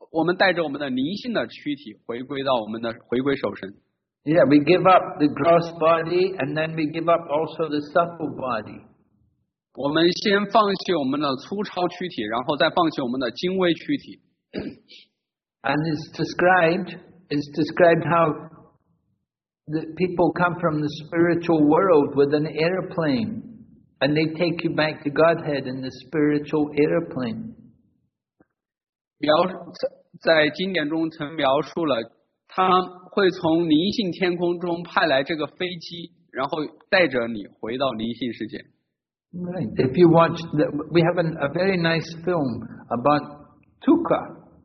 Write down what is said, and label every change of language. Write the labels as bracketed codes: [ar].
[zh] 我们带着我们的灵性的躯体回归到我们的回归守神。 [en] Yeah, we give up the gross body and then we give up also the subtle body. [zh] 我们先放弃我们的粗糙躯体，然后再放弃我们的精微躯体。 [en] And it's described how the people come from the spiritual world with an airplane and they take you back to Godhead in the spiritual airplane. [zh] 表示在经典中曾描述了他会从灵性天空中派来这个飞机，然后带着你回到灵性世界。 [en] Right. If you watch, we have a very nice film about Tuka.